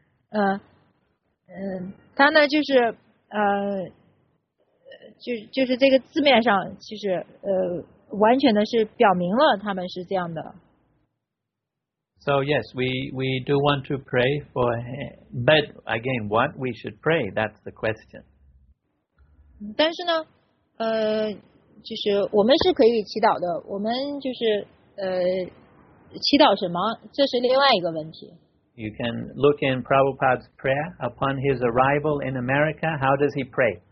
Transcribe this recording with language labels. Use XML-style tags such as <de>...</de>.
<zh>它呢就是就是这个字面上其实完全的是表明了他们是这样的。</zh> <en>So yes, we do want to pray for, but again, what we should pray? That's the question.</en> <zh>但是呢，就是我们是可以祈祷的。我们就是祈祷什么，这是另外一个问题。</zh> <en>You can look in Prabhupada's prayer upon his arrival in America. How does he pray?</en>